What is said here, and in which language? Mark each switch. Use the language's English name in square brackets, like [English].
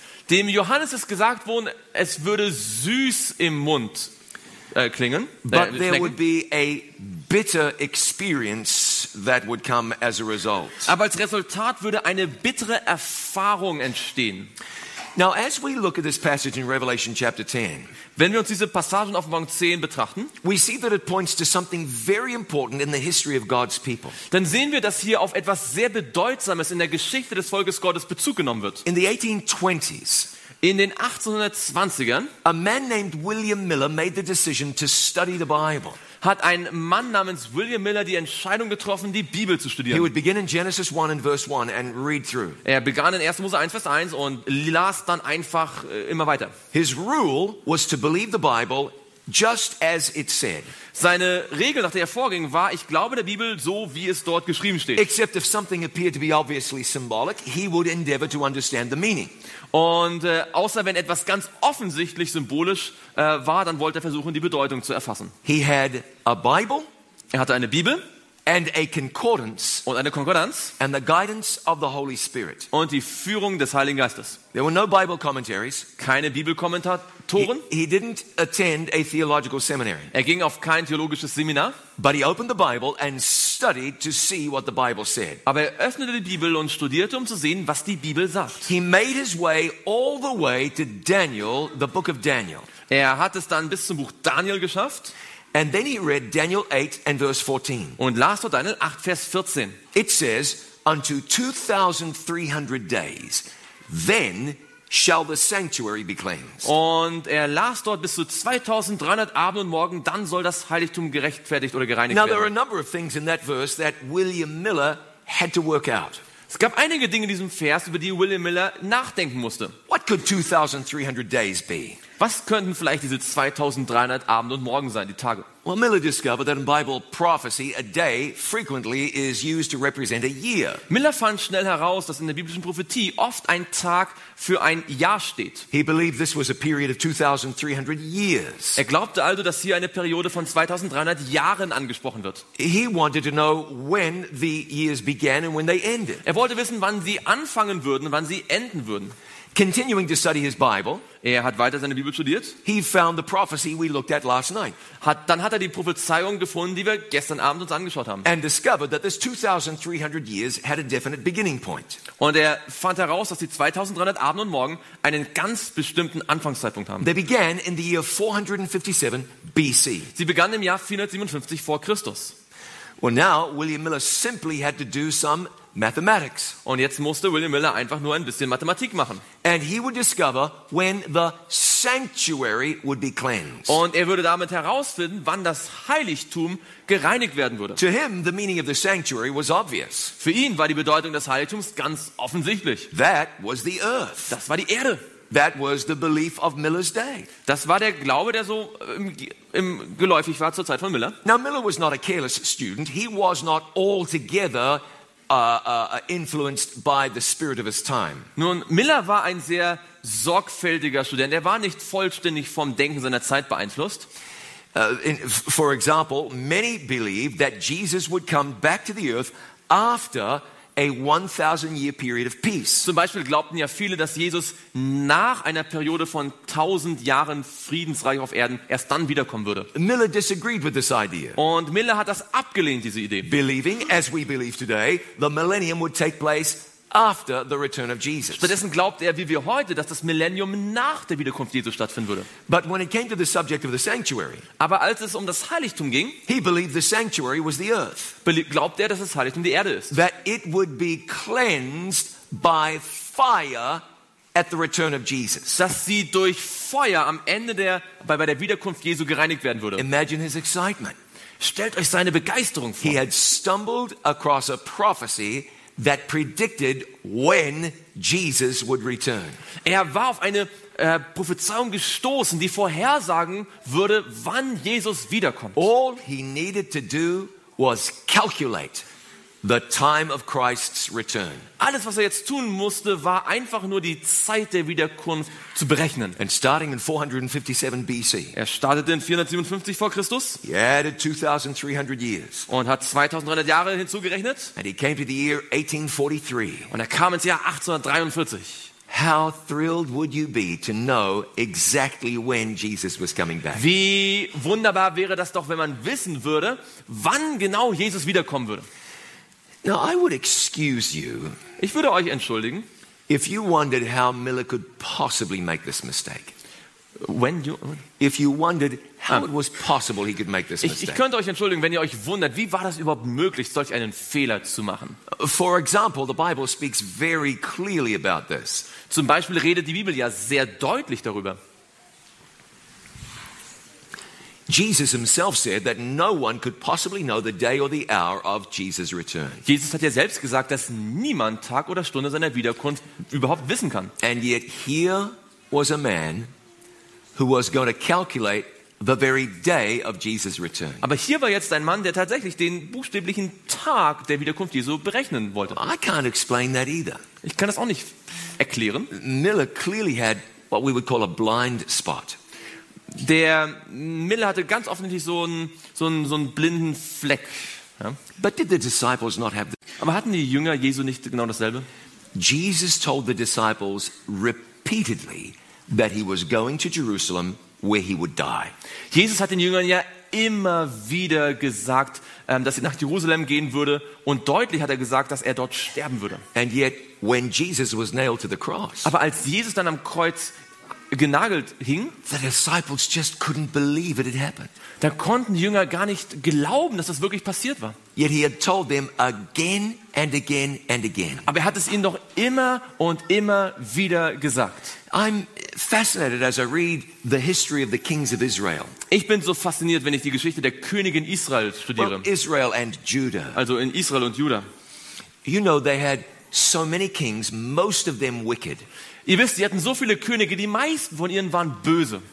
[German] Dem Johannes ist gesagt worden, es würde süß im Mund klingen. [English] But there would be a bitter experience that would come as a result. [German] Aber als Resultat würde eine bittere Erfahrung entstehen. [English] Now as we look at this passage in Revelation chapter 10, [German] wenn wir uns diese Passage in Offenbarung 10 betrachten, [English] we see that it points to something very important in the history of God's people. [German] Dann sehen wir, dass hier auf etwas sehr Bedeutsames in der Geschichte des Volkes Gottes Bezug genommen wird. [English] In the 1820s, [German] in den 1820ern, [English] a man named William Miller made the decision to study the Bible. [German] Hat ein Mann namens William Miller die Entscheidung getroffen, die Bibel zu studieren. [English] He would begin in Genesis 1 and verse 1 and read through. [German] Er begann in 1. Mose 1 Vers 1 und las dann einfach immer weiter. [English] His rule was to believe the Bible just as it said. [German] Seine Regel, nach der er vorging, war, ich glaube der Bibel so, wie es dort geschrieben steht. [English] Except if something appeared to be obviously symbolic, he would endeavor to understand the meaning. [German] Und außer wenn etwas ganz offensichtlich symbolisch war, dann wollte er versuchen, die Bedeutung zu erfassen. [English] He had a Bible. [German] Er hatte eine Bibel. [English] And a concordance. [German] Und eine Konkordanz. [English] And the guidance of the Holy Spirit. [German] Und die Führung des Heiligen Geistes. [English] There were no Bible commentaries. [German] Keine Bibelkommentatoren. [English] He didn't attend a theological seminary. [German] Er ging auf kein theologisches Seminar. [English] But he opened the Bible and studied to see what the Bible said. [German] Aber er öffnete die Bibel und studierte, um zu sehen, was die Bibel sagt. [English] He made his way all the way to Daniel, the book of Daniel. [German] Er hat es dann bis zum Buch Daniel geschafft. [English] And then he read Daniel 8 and verse 14. [German] Und las dort Daniel 8 Vers 14. [English] It says, unto 2300 days, then shall the sanctuary be cleansed. [German] Und er las dort bis zu 2300 Abend und Morgen, dann soll das Heiligtum gerechtfertigt oder gereinigt werden. [English] Now there are a number of things in that verse that William Miller had to work out. [German] Es gab einige Dinge in diesem Vers, über die William Miller nachdenken musste. [English] What could 2300 days be? [German] Was könnten vielleicht diese 2300 Abend und Morgen sein, die Tage? [English] Well, Miller discovered that in Bible prophecy a day frequently is used to represent a year. [German] Miller fand schnell heraus, dass in der biblischen Prophetie oft ein Tag für ein Jahr steht. [English] He believed this was a period of 2300 years. [German] Er glaubte also, dass hier eine Periode von 2300 Jahren angesprochen wird. [English] He wanted to know when the years began and when they ended. [German] Er wollte wissen, wann sie anfangen würden, wann sie enden würden. [English] Continuing to study his Bible, [German] er hat weiter seine Bibel studiert. [English] He found the prophecy we looked at last night. [German] Dann hat er die Prophezeiung gefunden, die wir gestern Abend uns angeschaut haben. [English] And discovered that this 2300 years had a definite beginning point. [German] Und er fand heraus, dass die 2300 Abend und Morgen einen ganz bestimmten Anfangszeitpunkt haben. [English] They began in the year 457 BC. [German] Sie begannen im Jahr 457 vor Christus. [English] Well, now William Miller simply had to do some mathematics. [German] Und jetzt musste William Miller einfach nur ein bisschen Mathematik machen. [English] And he would discover when the sanctuary would be cleansed. [German] Und er würde damit herausfinden, wann das Heiligtum gereinigt werden würde. [English] To him, the meaning of the sanctuary was obvious. [German] Für ihn war die Bedeutung des Heiligtums ganz offensichtlich. [English] That was the earth. [German] Das war die Erde. [English] That was the belief of Miller's day. [German] Das war der Glaube, der so im geläufig war zur Zeit von Miller. [English] Now Miller was not a careless student. He was not altogether influenced by the spirit of his time. [German] Nun, Miller war ein sehr sorgfältiger Student. Er war nicht vollständig vom Denken seiner Zeit beeinflusst. [English] For example, many believed that Jesus would come back to the earth after a 1,000-year period of peace. [German] Zum Beispiel glaubten ja viele, dass Jesus nach einer Periode von 1,000 Jahren Friedensreich auf Erden erst dann wiederkommen würde. [English] Miller disagreed with this idea. [German] Und Miller hat das abgelehnt, diese Idee. [English] Believing, as we believe today, the millennium would take place after the return of Jesus. [German] Stattdessen glaubt er, wie wir heute, dass das Millennium nach der Wiederkunft Jesu stattfinden würde. [English] But when it came to the subject of the sanctuary, [German] aber als es um das Heiligtum ging, [English] he believed the sanctuary was the earth. [German] Glaubt er, dass das Heiligtum die Erde ist. [English] That it would be cleansed by fire at the return of Jesus. [German] Dass sie durch Feuer am Ende der bei der Wiederkunft Jesu gereinigt werden würde. [English] Imagine his excitement. [German] Stellt euch seine Begeisterung vor. [English] He had stumbled across a prophecy that predicted when Jesus would return. [German] Er war auf eine Prophezeiung gestoßen, die vorhersagen würde, wann Jesus wiederkommt. [English] All he needed to do was calculate the time of Christ's return. [German] Alles, was er jetzt tun musste, war einfach nur die Zeit der Wiederkunft zu berechnen. [English] And starting in 457 BC. [German] Er startete in 457 vor Christus. [English] He added 2,300 years. [German] Und hat 2,300 Jahre hinzugerechnet. [English] And he came to the year 1843. [German] Und er kam ins Jahr 1843. [English] How thrilled would you be to know exactly when Jesus was coming back? [German] Wie wunderbar wäre das doch, wenn man wissen würde, wann genau Jesus wiederkommen würde. [English] Now I would excuse you. [German] Ich würde euch entschuldigen. [English] If you wondered how Miller could possibly make this mistake. If you wondered how it was possible he could make this mistake. [German] Ich könnte euch entschuldigen, wenn ihr euch wundert, wie war das überhaupt möglich, solch einen Fehler zu machen? [English] For example, the Bible speaks very clearly about this. [German] Zum Beispiel redet die Bibel ja sehr deutlich darüber. [English] Jesus himself said that no one could possibly know the day or the hour of Jesus' return. [German] Jesus hat ja selbst gesagt, dass niemand Tag oder Stunde seiner Wiederkunft überhaupt wissen kann. [English] And yet here was a man who was going to calculate the very day of Jesus' return. [German] Aber hier war jetzt ein Mann, der tatsächlich den buchstäblichen Tag der Wiederkunft Jesu berechnen wollte. [English] I can't explain that either. [German] Ich kann das auch nicht erklären. [English] Miller clearly had what we would call a blind spot. [German] Der Miller hatte ganz offensichtlich so einen blinden Fleck. Ja. [English] But did the disciples not have [German] Aber hatten die Jünger Jesu nicht genau dasselbe? [English] Jesus told the disciples repeatedly that he was going to Jerusalem where he would die. [German] Jesus hat den Jüngern ja immer wieder gesagt, dass er nach Jerusalem gehen würde, und deutlich hat er gesagt, dass er dort sterben würde. [English] And yet when Jesus was nailed to the cross. [German] Aber als Jesus dann am Kreuz genagelt hing, [English] the disciples just couldn't believe it had happened. [German] Da konnten die Jünger gar nicht glauben, dass das wirklich passiert war. [English] Yet he had told them again and again and again. [German] Aber er hat es ihnen doch immer und immer wieder gesagt. [English] I'm fascinated as I read the history of the kings of Israel. [German] Ich bin so fasziniert, wenn ich die Geschichte der Könige in Israel studiere. [English] Well, Israel and Judah. [German] Also in Israel und Juda. [English] You know, they had so many kings, most of them wicked. [German] Ihr wisst, sie hatten so viele Könige, die meisten von ihnen waren böse,